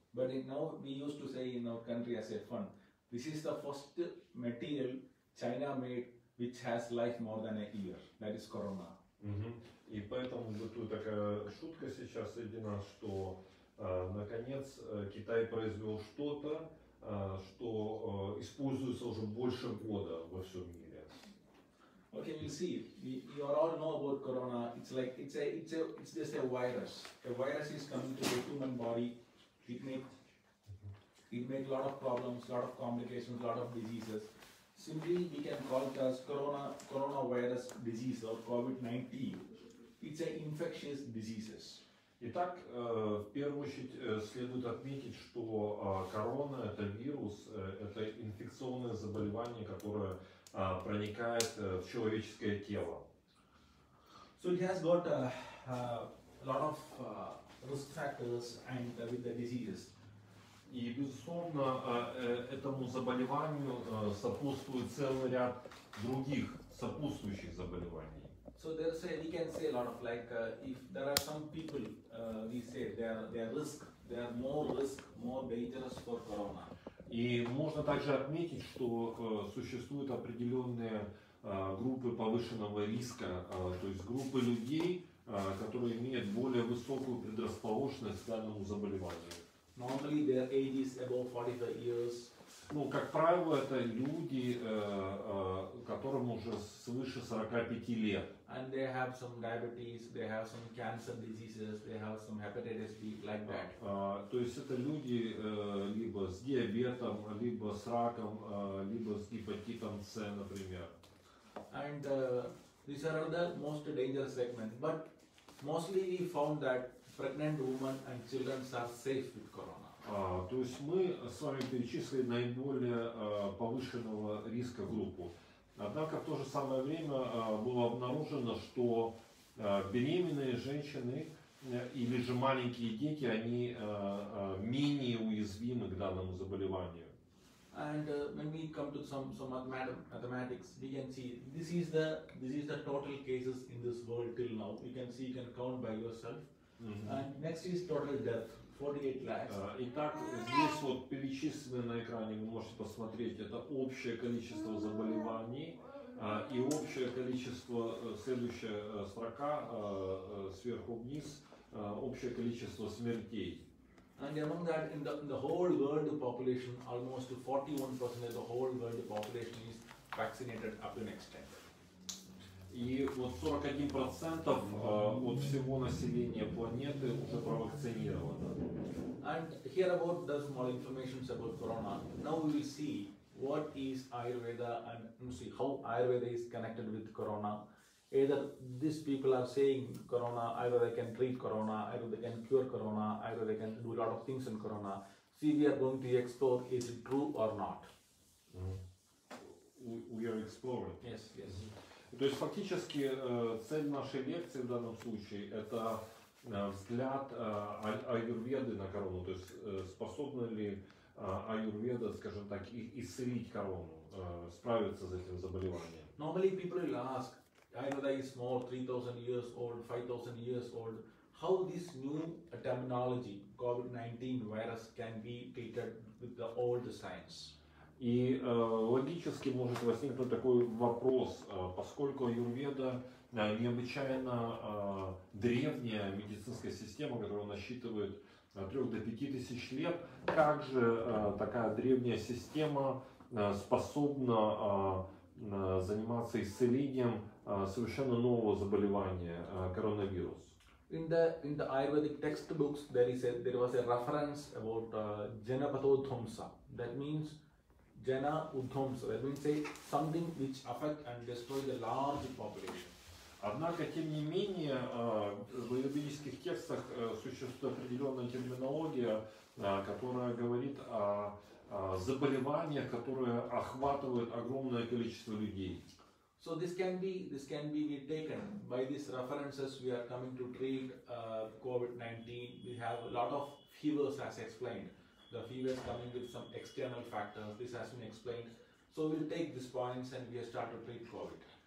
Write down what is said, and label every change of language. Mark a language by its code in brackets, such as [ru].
[en] But now we used to say in our country as a fun, this is the first material China made which has life more than a year. That is corona. Mm-hmm. [ru] И поэтому бытует такая шутка сейчас среди нас, что наконец Китай произвел что-то, что используется уже больше года во всем мире. [en] Okay, we'll see. You all know about corona. It's like it's just a virus. A virus is coming to the human body. It makes a lot of problems, a lot of complications, a lot of diseases. Simply, we can call it as coronavirus disease or COVID-19. It's an infectious disease. [ru] Итак, в первую очередь следует отметить, что корона – это вирус, это инфекционное заболевание, которое проникает в человеческое тело. [en] So it has got a lot of risk factors and with the diseases. [ru] И, безусловно, этому заболеванию сопутствует целый ряд других сопутствующих заболеваний. [en] So there's a, we can say a lot of like, if there are some people, we say they are more risk, more dangerous for corona. [ru] И можно также отметить, что существуют определенные группы повышенного риска, то есть группы людей, которые имеют более высокую предрасположенность к данному заболеванию. [en] Normally their age is above 45 years. [ru] Ну, как правило, это люди, которым уже свыше 45 лет. [en] And they have some diabetes, they have some cancer diseases, they have some hepatitis B, like that. [ru] То есть это люди либо с диабетом, либо с раком, либо с гепатитом С, например. [en] And these are the most dangerous segments. But mostly we found that pregnant women and children are safe with corona. [ru] То есть мы с вами перечислили наиболее повышенного риска группу. Однако в то же самое время было обнаружено, что беременные женщины или же маленькие дети, они менее уязвимы к данному заболеванию. [en] And when we come to some mathematics, we can see this is the total cases in this world till now. You can count by yourself. Mm-hmm. And next is total death. 48 лакс. [ru] Итак, здесь вот перечислено на экране, вы можете посмотреть, это общее количество заболеваний и общее количество, следующая строка сверху вниз, общее количество смертей. [en] And among that, in the whole world population, almost 41% of the whole world population is vaccinated up to next time. [ru] И вот 41% от всего населения планеты уже провакцинировано. [en] And here about the small information about corona. Now we will see what is Ayurveda and see how Ayurveda is connected with corona. Either these people are saying corona, Ayurveda can treat corona, Ayurveda can cure corona, Ayurveda can do a lot of things in corona. See, we are going to explore, is it true or not? We are exploring. Yes, yes. [ru] То есть фактически цель нашей лекции в данном случае – это взгляд Аюрведы на корону. То есть способна ли Аюрведа, скажем так, исцелить корону, справиться с этим заболеванием? [en] Normally people will ask, Ayurveda is more 3,000 years old, 5,000 years old. How this new terminology, COVID-19 virus, can be treated with the old science? [ru] И логически может возникнуть такой вопрос, поскольку Аюрведа необычайно древняя медицинская система, которая насчитывает от 3 до 5 тысяч лет, как же такая древняя система способна заниматься исцелением совершенно нового заболевания, коронавирус? [en] In the Ayurvedic textbooks, there was a reference about Janapathodhamsa. That means Jana Udhamsa, let me say, something which affects and destroys a large population. [ru] Однако, тем не менее, в юридических текстах существует определенная терминология, которая говорит о заболеваниях, которые охватывают огромное количество людей. [en] So this can be retaken by these references. We are coming to treat COVID-19. We have a lot of fevers, as explained. The fever is coming with some external factors. This has been explained. So we'll take these points and we'll start to treat COVID.